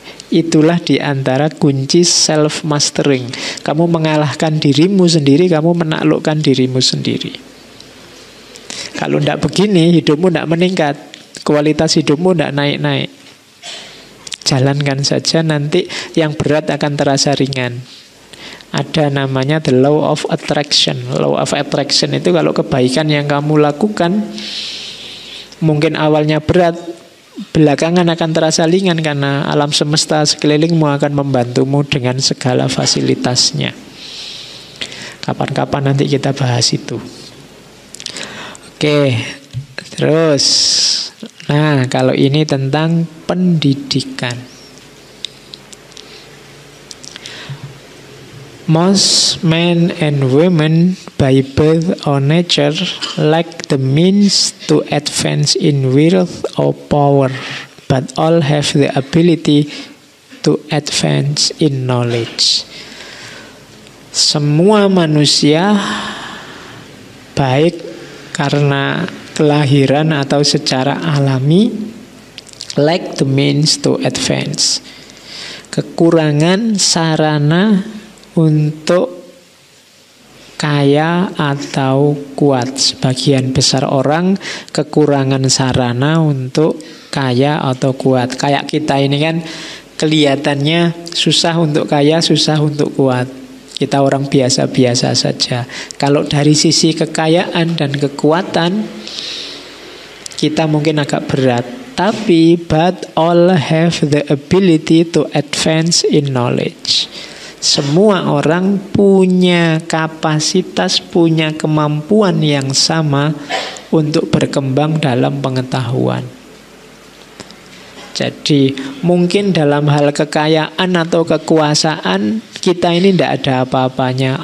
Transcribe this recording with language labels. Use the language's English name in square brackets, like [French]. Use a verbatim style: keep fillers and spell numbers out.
[Indonesian] Itulah diantara kunci self mastering. Kamu mengalahkan dirimu sendiri, kamu menaklukkan dirimu sendiri. Kalau tidak begini, hidupmu tidak meningkat. Kualitas hidupmu tidak naik-naik. Jalankan saja, nanti yang berat akan terasa ringan. Ada namanya the law of attraction. Law of attraction itu kalau kebaikan yang kamu lakukan, mungkin awalnya berat, belakangan akan terasa ringan karena alam semesta sekelilingmu akan membantumu dengan segala fasilitasnya. Kapan-kapan nanti kita bahas itu. Oke, terus, nah kalau ini tentang pendidikan. [English] Most men and women by birth or nature lack the means to advance in wealth or power, but all have the ability to advance in knowledge. [Indonesian] Semua manusia baik karena kelahiran atau secara alami [English] lack the means to advance, [Indonesian] kekurangan sarana untuk kaya atau kuat. Sebagian besar orang kekurangan sarana untuk kaya atau kuat. Kayak kita ini kan kelihatannya susah untuk kaya, susah untuk kuat. Kita orang biasa-biasa saja. Kalau dari sisi kekayaan dan kekuatan, kita mungkin agak berat. Tapi, [English] but all have the ability to advance in knowledge. [Indonesian] Semua orang punya kapasitas, punya kemampuan yang sama untuk berkembang dalam pengetahuan. Jadi mungkin dalam hal kekayaan atau kekuasaan kita ini tidak ada apa-apanya.